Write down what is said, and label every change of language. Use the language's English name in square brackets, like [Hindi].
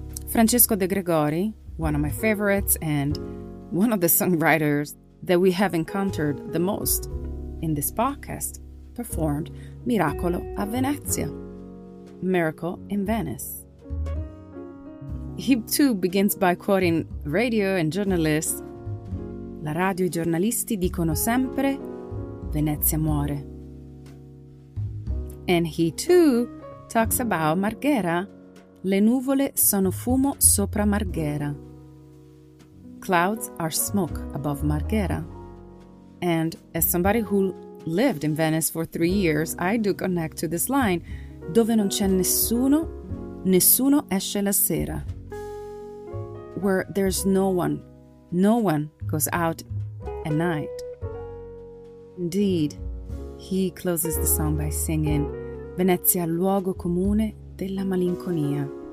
[English] Francesco De Gregori, one of my favorites and one of the songwriters that we have encountered the most in this podcast, performed Miracolo a Venezia, Miracle in Venice. He too begins by quoting radio and journalists. [Italian] La radio e I giornalisti dicono sempre Venezia muore. [English] And he too talks about Marghera. [Italian] Le nuvole sono fumo sopra Marghera. [English] Clouds are smoke above Marghera. And as somebody who lived in Venice for 3 years, I do connect to this line. [Italian] Dove non c'è nessuno, nessuno esce la sera. [English] Where there's no one, no one goes out at night. Indeed, he closes the song by singing, [Italian] Venezia, luogo comune della malinconia.